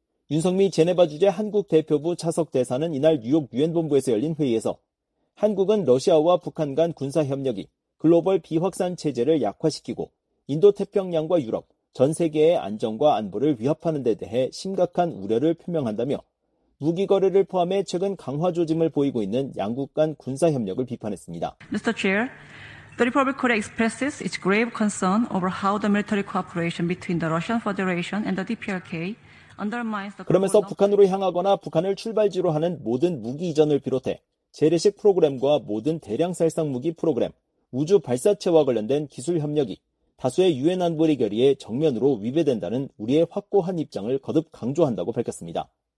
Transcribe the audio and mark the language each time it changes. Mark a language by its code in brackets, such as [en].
[ko] 윤석미 제네바 주재 한국 대표부 차석 대사는 이날 뉴욕 유엔 본부에서 열린 회의에서 한국은 러시아와 북한 간 군사 협력이 글로벌 비확산 체제를 약화시키고 인도태평양과 유럽, 전 세계의 안정과 안보를 위협하는 데 대해 심각한 우려를 표명한다며 무기 거래를 포함해 최근 강화 조짐을 보이고 있는 양국 간 군사 협력을 비판했습니다. [en] Mr. Chair. The Republic of Korea expresses its grave concern over how the military cooperation between the Russian Federation and the DPRK undermines the [ko] 그러면서 북한으로 향하거나 북한을 출발지로 하는 모든 무기 이전을 비롯해 재래식 프로그램과 모든 대량 살상 무기 프로그램, 우주 발사체와 관련된 기술 협력이 다수의 유엔 안보리 결의에 정면으로 위배된다는 우리의 확고한 입장을 거듭 강조한다고 밝혔습니다.